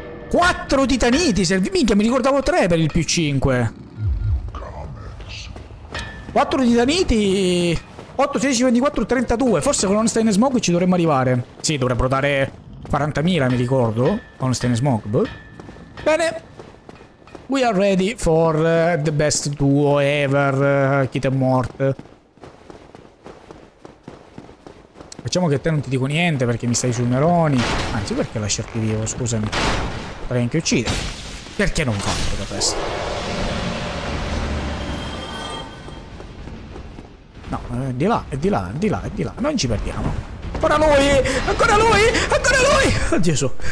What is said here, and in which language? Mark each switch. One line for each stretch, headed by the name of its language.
Italian: Quattro titaniti servi. Minchia, mi ricordavo 3 per il più 5. 4 titaniti. 8, 16, 24, 32. Forse con Ornstein e Smog ci dovremmo arrivare. Sì, dovrebbero dare 40.000, mi ricordo. Con Ornstein e Smog. Bene.
English: We are ready for the best duo ever, Kit e Mort.
Italian: Facciamo che te non ti dico niente perché mi stai sui neroni. Anzi, perché lasciarti vivo, scusami. Potrei anche uccidere. Perché non farlo da presto? No, è di là. Non ci perdiamo. Ancora lui! Oh, Gesù.